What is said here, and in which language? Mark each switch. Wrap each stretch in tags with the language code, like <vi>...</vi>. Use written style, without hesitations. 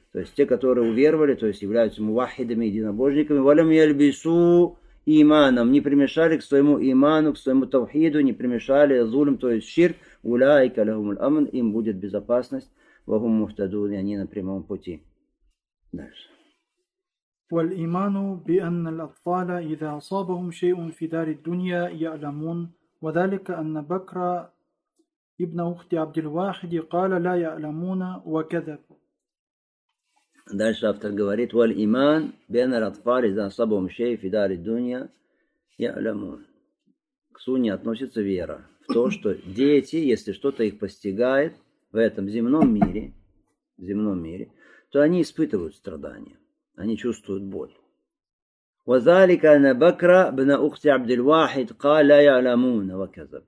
<ru>То есть те, которые уверовали, то есть являются муваххидами, единобожниками,</ru> <ar>«валям яльбису иманом»,</ar> <ru>не примешали к своему иману, к своему тавхиду, не примешали зульм, то есть ширк,</ru> <ar>«уляйка лахум аль-амн»,</ar> <ru>им будет безопасность,</ru> <ar>«вахум муфтадун»,</ar> <ru>и они на прямом пути. Дальше.</ru> <ar>والإيمان بأن الأطفال إذا أصابهم شيء في دار الدنيا يعلمون وذلك أن بكر ابن أخت عبد الواحد قال لا يعلمون وكذب. دارش أفتر</ar> <ru>говорит</ru> <ar>والإيمان بأن الأطفال إذا أصابهم شيء في دار الدنيا يعلمون.</ar> <ru>К сунне относится вера в то, что дети, если что-то их постигает в этом земном мире, то они испытывают страдания. Они чувствуют боль.</ru> <ar>وَذَلِكَ نَبَكْرَ بْنَ أُخْتِ عَبْدِ الْوَاحِدِ قَالَ يَعْلَمُونَ وَكَذَبْ.</ar>